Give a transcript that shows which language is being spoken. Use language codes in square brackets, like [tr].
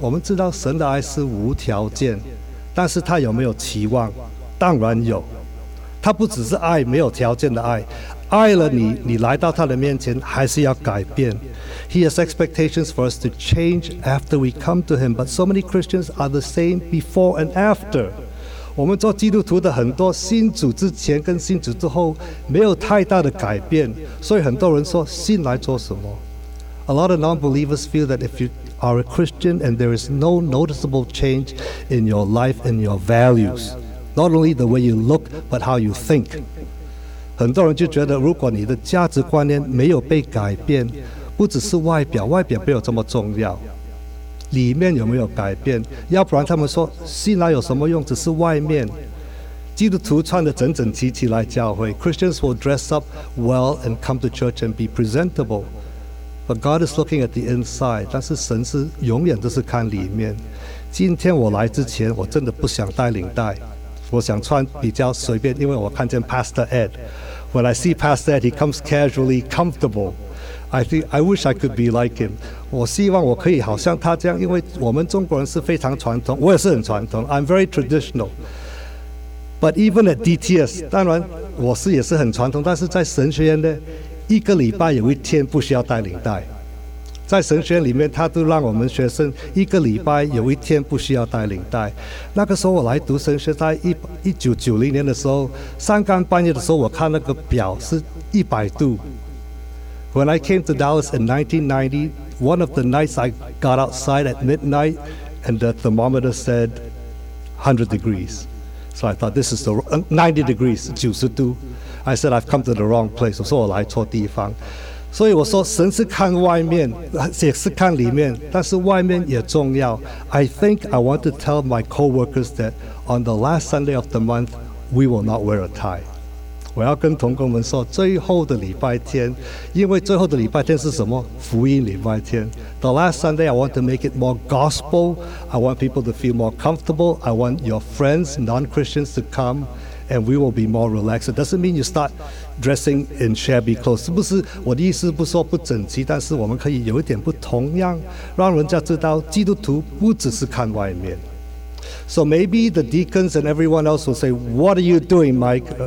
[zh] 我们知道神的爱是无条件，但是他有没有期望？当然有。他不只是爱，没有条件的爱，爱了你，你来到他的面前还是要改变。 [en] He has expectations for us to change after we come to him. But so many Christians are the same before and after. [zh] 我们做基督徒的很多信主之前跟信主之后没有太大的改变，所以很多人说信来做什么。 [en] A lot of non-believers feel that if you are a Christian and there is no noticeable change in your life and your values, not only the way you look but how you think. [zh] 很多人就觉得如果你的价值观念没有被改变，不只是外表，外表没有这么重要，里面有没有改变？要不然他们说信来有什么用，只是外面。基督徒穿得整整齐齐来教会， [en] Christians will dress up well and come to church and be presentable, but God is looking at the inside. [zh] 但是神是永远都是看里面。今天我来之前我真的不想带领带，我想穿比较随便，因为我看见 Pastor Ed. [en] When I see Pastor Ed, he comes casually comfortable. I wish I could be like him. [zh] 我希望我可以好像他这样，因为我们中国人是非常传统，我也是很传统， [en] I'm very traditional. But even at DTS, [zh] 当然我是也是很传统，但是在神学院呢，一个礼拜有一天不需要带领带。在神学院里面，他都让我们学生一个礼拜有一天不需要带领带。那个时候我来读神学，在1990年的时候，三更半夜的时候，我看那个表是100度。 [en] When I came to Dallas in 1990, one of the nights I got outside at midnight and the thermometer said 100 degrees. So I thought this is the 90 degrees, [zh] 90度. [en] I said I've come to the wrong place. [zh] 我说我来错地方。所以我说神是看外面，也是看里面，但是外面也重要。 [en] I think I want to tell my coworkers that on the last Sunday of the month, we will not wear a tie. [zh] 我要跟同工们说，最后的礼拜天，因为最后的礼拜天是什么？福音礼拜天。 [en] The last Sunday, I want to make it more gospel. I want people to feel more comfortable. I want your friends, non-Christians, to come, and we will be more relaxed. It doesn't mean you start dressing in shabby clothes. [zh] 是不是？我的意思不说不整齐，但是我们可以有一点不同样，让人家知道基督徒不只是看外面。 [en] So maybe the deacons and everyone else will say, "What are you doing, Mike?"